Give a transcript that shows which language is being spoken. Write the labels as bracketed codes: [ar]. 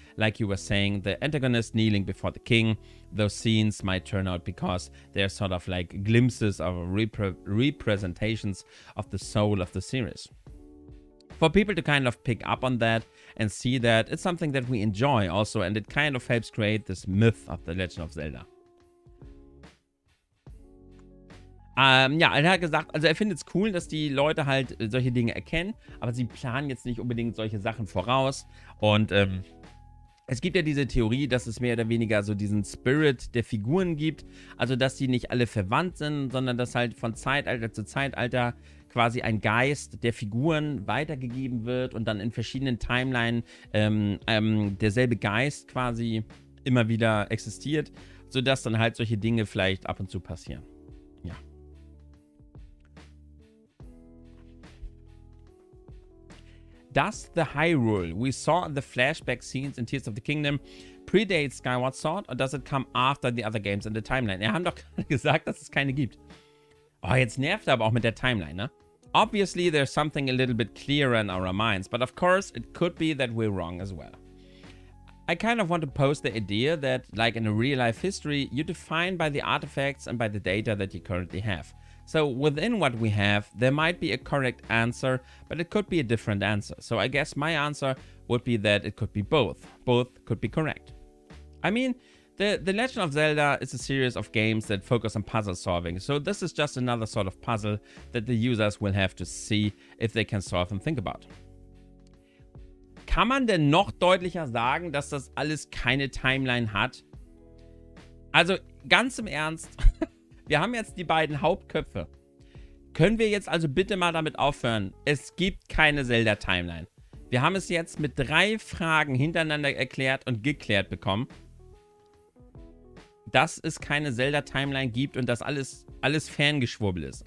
[en] Like you were saying, the antagonist kneeling before the king, those scenes might turn out because they're sort of like glimpses of representations of the soul of the series. For people to kind of pick up on that and see that, it's something that we enjoy also, and it kind of helps create this myth of The Legend of Zelda. [de] Ja, er hat gesagt, also er findet es cool, dass die Leute halt solche Dinge erkennen, aber sie planen jetzt nicht unbedingt solche Sachen voraus. Und es gibt ja diese Theorie, dass es mehr oder weniger so diesen Spirit der Figuren gibt, also dass die nicht alle verwandt sind, sondern dass halt von Zeitalter zu Zeitalter quasi ein Geist der Figuren weitergegeben wird und dann in verschiedenen Timelines derselbe Geist quasi immer wieder existiert, sodass dann halt solche Dinge vielleicht ab und zu passieren. [en] Does the Hyrule we saw in the flashback scenes in Tears of the Kingdom predate Skyward Sword or does it come after the other games in the timeline? [de] Wir haben doch gerade gesagt, dass es keine gibt. Oh, jetzt nervt er aber auch mit der Timeline, ne? [en] Obviously, there's something a little bit clearer in our minds, but of course, it could be that we're wrong as well. I kind of want to pose the idea that, like in a real-life history, you're defined by the artifacts and by the data that you currently have. So within what we have, there might be a correct answer, but it could be a different answer. So I guess my answer would be that it could be both. Both could be correct. I mean, the Legend of Zelda is a series of games that focus on puzzle solving. So this is just another sort of puzzle that the users will have to see if they can solve and think about. [de] Kann man denn noch deutlicher sagen, dass das alles keine Timeline hat? Also ganz im Ernst... Wir haben jetzt die beiden Hauptköpfe. Können wir jetzt also bitte mal damit aufhören? Es gibt keine Zelda-Timeline. Wir haben es jetzt mit drei Fragen hintereinander erklärt und geklärt bekommen, dass es keine Zelda-Timeline gibt und dass alles Fangeschwurbel ist.